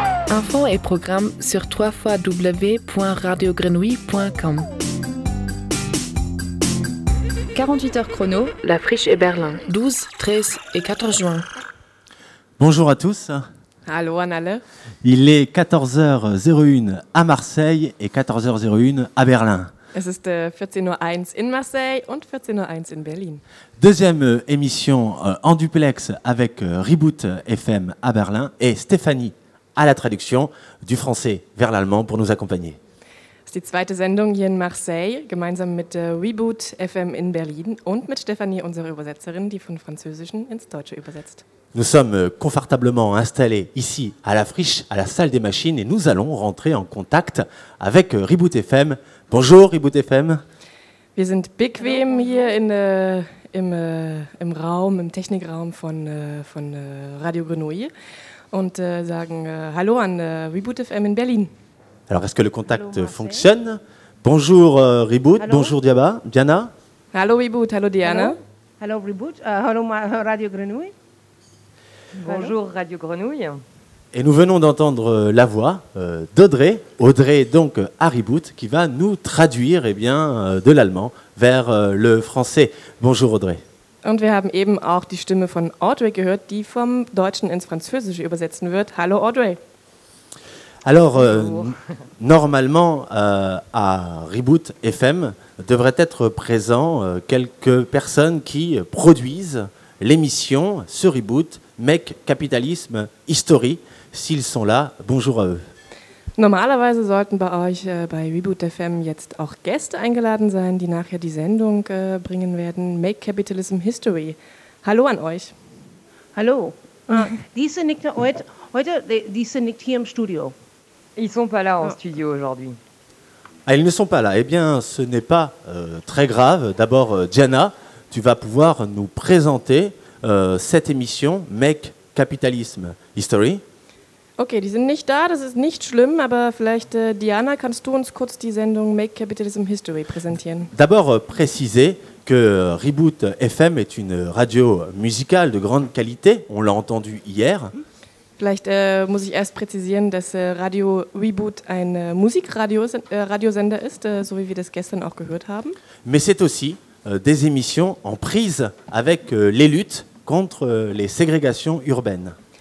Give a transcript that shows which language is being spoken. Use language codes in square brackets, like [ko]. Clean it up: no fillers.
[fr] Infos et programmes sur www.radiogrenouille.com. 48 heures chrono, la Friche et Berlin, 12, 13 et 14 juin. Bonjour à tous. Allô, Annale. Il est 14h01 à Marseille et 14h01 à Berlin. [de] Es ist 14h01 in Marseille und 14h01 in Berlin. [fr] Deuxième émission en duplex avec Reboot FM à Berlin et Stéphanie à la traduction du français vers l'allemand pour nous accompagner. [de] Die zweite Sendung hier in Marseille, gemeinsam mit Reboot FM in Berlin und mit Stéphanie, unserer Übersetzerin, die von Französischen ins Deutsche übersetzt. [fr] Nous sommes confortablement installés ici à la Friche, à la salle des machines, et nous allons rentrer en contact avec Reboot FM. Bonjour Reboot FM. [de] Wir sind bequem hier in, im Raum, im Technikraum von Radio Grenouille und sagen Hallo an Reboot FM in Berlin. [fr] Alors, est-ce que le contact fonctionne? Bonjour Reboot, [en] hello. [fr] Bonjour Diana. [en] Hello Reboot, hello Diana. Hello Reboot, hello Radio Grenouille. [fr] Bonjour Radio Grenouille. Et nous venons d'entendre la voix d'Audrey, Audrey donc à Reboot, qui va nous traduire eh bien, de l'allemand vers le français. Bonjour Audrey. [de] Und wir haben eben auch die Stimme von Audrey gehört, die vom Deutschen ins Französische übersetzen wird. Hallo Audrey. [fr] Alors, normalement, à Reboot FM, devraient être présents quelques personnes qui produisent l'émission sur Reboot Make Capitalism History. S'ils sont là, bonjour à eux. [de] Normalerweise sollten bei euch bei Reboot FM jetzt auch Gäste eingeladen sein, die nachher die Sendung bringen werden. Make Capitalism History. Hallo an euch. Hallo. Die sind nicht hier im Studio. [fr] Ils sont pas là en studio aujourd'hui. Ah, ils ne sont pas là. Eh bien, ce n'est pas très grave. D'abord, Diana, tu vas pouvoir nous présenter cette émission Make Capitalism History. [de] Okay, die sind nicht da, das ist nicht schlimm, aber vielleicht Diana, kannst du uns kurz die Sendung Make Capitalism History präsentieren? [fr] D'abord préciser que Reboot FM est une radio musicale de grande qualité, on l'a entendu hier. [de] Vielleicht muss ich erst präzisieren, dass Radio Reboot ein Musikradiosender ist, so wie wir das gestern auch gehört haben. [fr] Mais c'est aussi des émissions en prise avec les luttes contre les ségrégations urbaines.